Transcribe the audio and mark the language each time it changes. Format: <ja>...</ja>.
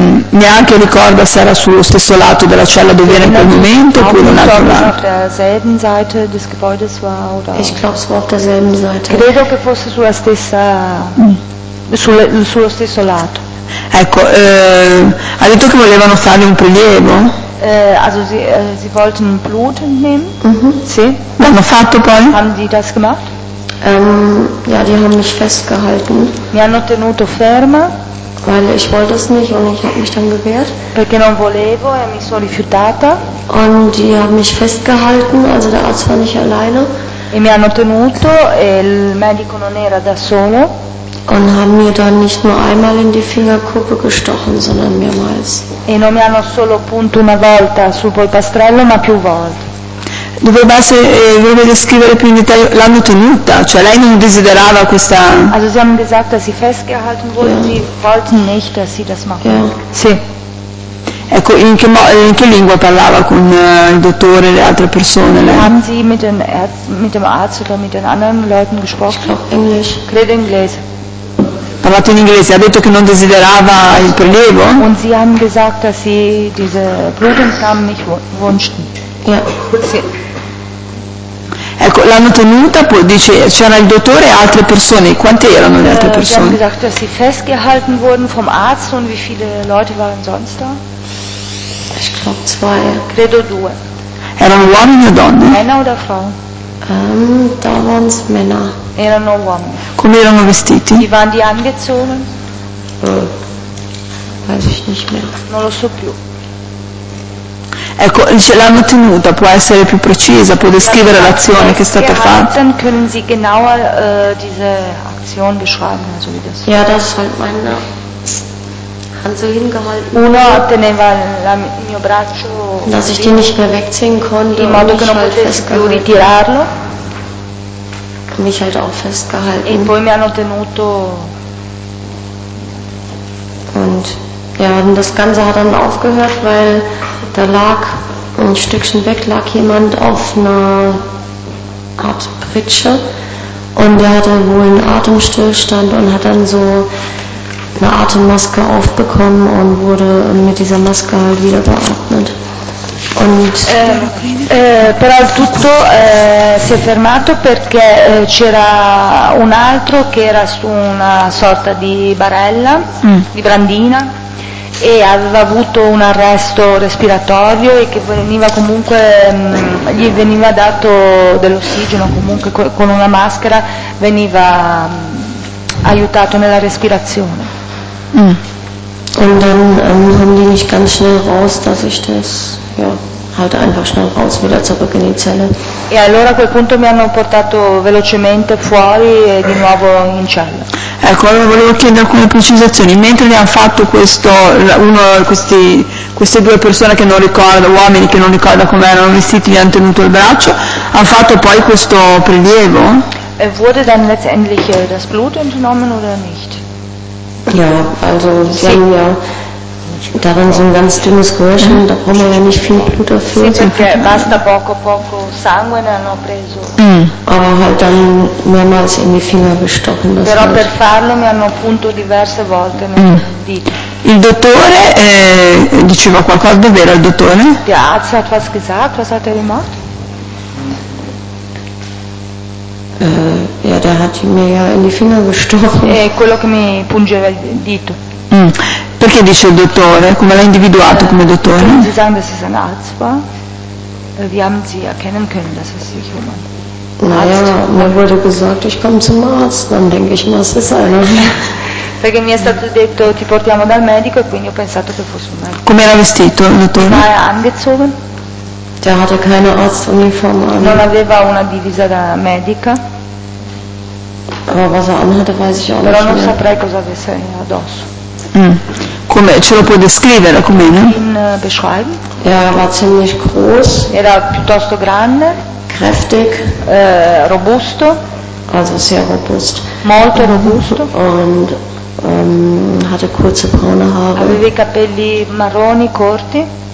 <it>Neanche ricorda se era sullo stesso lato della cella dove era in quel momento oppure un altro lato. Credo che fosse sulla stessa sullo stesso lato. Ecco, ha detto che volevano fare un prelievo?</it> <de>Also sie wollten Blut nehmen?</de> <it>Sì. L'hanno fatto poi?</it> <de>Haben die das gemacht? Ja, die haben mich festgehalten.</de> <it>Mi hanno tenuto ferma.</it> <de>Weil ich wollte es nicht und ich habe mich dann gewehrt.</de> <it>Perché non volevo e mi sono rifiutata.</it> <de>Und die haben mich festgehalten, also der Arzt war nicht alleine.</de> <it>E mi hanno tenuto e il medico non era da solo.</it> <de>Und haben mir dann nicht nur einmal in die Fingerkuppe gestochen, sondern mehrmals.</de> <it>E non mi hanno solo punto una volta sul polpastrello, ma più volte. Dovrebbe descrivere più in dettaglio, l'hanno tenuta, cioè lei non desiderava questa.</it> <de>Also sie haben gesagt, dass sie festgehalten wurden, sie wollten nicht, dass sie das machen. Ja.</de> <it>Sì. Ecco, in che lingua parlava con il dottore e le altre persone? Lei?</it> <de>Haben sie mit dem Arzt oder mit den anderen Leuten gesprochen? Englisch.</de> <it>Credo inglese. Parlato in inglese, ha detto che non desiderava il prelievo?</it> <de>Und sie haben gesagt, dass sie diese Blutentnahme nicht wünschten. Ja.</de> <it>Sì. Ecco, l'hanno tenuta, poi dice c'era il dottore e altre persone. Quante erano le altre persone?</it> <de>Sie haben gesagt, dass sie festgehalten wurden vom Arzt und wie viele Leute waren sonst da? Ich glaube zwei.</de> <it>Credo due. Erano uomini o donne?</it> <de>Männer oder Frauen? Da waren es Männer.</de> <it>Erano uomini. Come erano vestiti?</it> <de>Wie waren die angezogen? Weiß ich nicht mehr.</de> <it>Non lo so più. Ecco, ce l'hanno tenuta, può essere più precisa, può descrivere l'azione che è stata fatta.</it> <de>Können Sie genauer diese Aktion beschreiben, also wie das? Ja, das halt meine Hand so hingehalten.</de> <it>Uno teneva il mio braccio,</it> <de>dass ich den nicht mehr wegziehen konnte,</de> <it>in modo che non potessi più ritirarlo.</it> <de>Mich halt auch festgehalten.</de> <it>E poi mi hanno tenuto.</it> <de>Und ja, und das Ganze hat dann aufgehört, weil da lag ein Stückchen weg, lag jemand auf einer Art Pritsche und der hatte wohl einen Atemstillstand und hat dann so eine Atemmaske aufbekommen und wurde mit dieser Maske halt wieder beatmet. Und</de> <it>però tutto si è fermato perché c'era un altro che era su una sorta di barella, di brandina, e aveva avuto un arresto respiratorio e che veniva comunque gli veniva dato dell'ossigeno comunque con una maschera, veniva aiutato nella respirazione.</it> <de>Und dann haben die mich ganz schnell raus, dass ich das ja halt einfach schnell raus wieder zurück in die Zelle.</de> <it>E allora a quel punto mi hanno portato velocemente fuori e di nuovo in cella. Ecco, allora volevo chiedere alcune precisazioni. Mentre ne hanno fatto questo, uno questi queste due persone che non ricordo, uomini che non ricordo come erano vestiti, gli hanno tenuto il braccio, hanno fatto poi questo prelievo?</it> <de>Wurde dann letztendlich das Blut entnommen oder nicht? Ja, also sie haben ja darin so ein ganz dünnes Röhrchen, da brauchen wir ja nicht viel Blut dafür.</de> <it>Sì, perché basta poco sangue, ne hanno preso.</it> <de>Aber halt dann mehrmals in die Finger gestochen.</de> <it>Das però per farlo mi hanno punto diverse volte nel dito. Il dottore diceva qualcosa, dove era il dottore?</it> <de>Der Arzt hat was gesagt, was hat er gemacht? Ja, der hat mir ja in die Finger gestochen.</de> <it>E quello che mi pungeva il dito. Perché dice il dottore? Come l'ha individuato come dottore?</it> <de>Sie sagen, dass es ein Arzt war. Wie haben Sie erkennen können, dass es sich um einen Arzt handelt? Naja, mir wurde gesagt, ich komme zum Arzt. Dann denke ich, was ist einer?</de> <it>Perché mi è stato detto, ti portiamo dal medico, e quindi ho pensato che fosse un medico. Come era vestito il dottore?</it> <de>War er angezogen? Der hatte keine Arztuniform an.</de> <it>Non aveva una divisa da medica.</it> <de>Aber was er anhatte, weiß ich auch</de> <it>però</it> <de>nicht.</de> <it>Però non saprei cosa avesse addosso. Come ce lo puoi descrivere come no?</it> <de>Beschreiben? Ja, war ziemlich groß.</de> <it>Era piuttosto grande.</it> <de>Kräftig.</de> <it>Robusto.</it> <de>Also sehr robust.</de> <it>Molto robusto.</it> <de>Und hatte kurze braune Haare.</de> <it>Aveva i capelli marroni corti.</it>